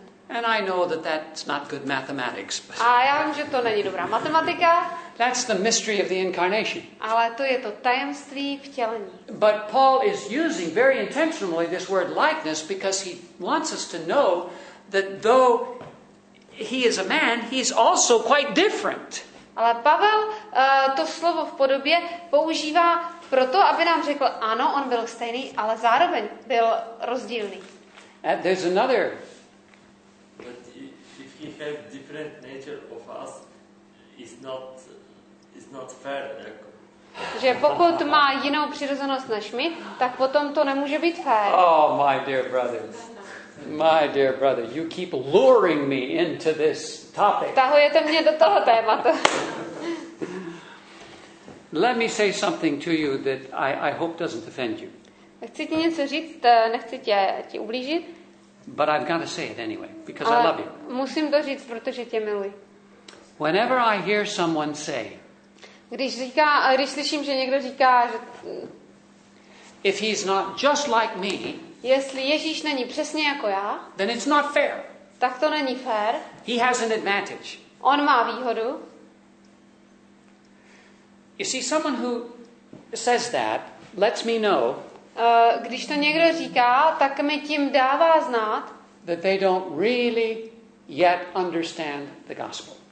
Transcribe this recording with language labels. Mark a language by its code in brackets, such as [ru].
[en] And I know that that's not good mathematics. But... [cs] A já vím, že to není dobrá matematika. [en] That's the mystery of the incarnation. [cs] Ale to je to tajemství vtělení. [en] But Paul is using very intentionally this word likeness because he wants us to know that though he is a man, he's also quite different. [cs] Ale Pavel to slovo v podobě používá proto, aby nám řekl, ano, on byl stejný, ale zároveň byl rozdílný. [en] And there's another. But if he have different nature of us, is not fair. [cs] Že pokud má jinou přirozenost než my, tak potom to nemůže být fair. [en] Oh, my dear brothers. My dear brother, you keep luring me into this topic. [cs] Tahujete mě do toho tématu. [en] Let me say something to you that I hope doesn't offend you. [cs] Chci ti něco říct, nechci ti ublížit. [en] But I've got to say it anyway, because I love you. [cs] Musím to říct, protože tě miluji. [en] Whenever I hear someone say, [cs] když slyším, že někdo říká, že... [en] If he's not just like me, [cs] jestli Ježíš není přesně jako já, [en] then it's not fair. [cs] Tak to není fair. [en] He has an advantage. [cs] On má výhodu. [en] You see, someone who says that lets me know [cs] Když to někdo říká, tak mi tím dává znát, [en] that they don't really yet understand the gospel.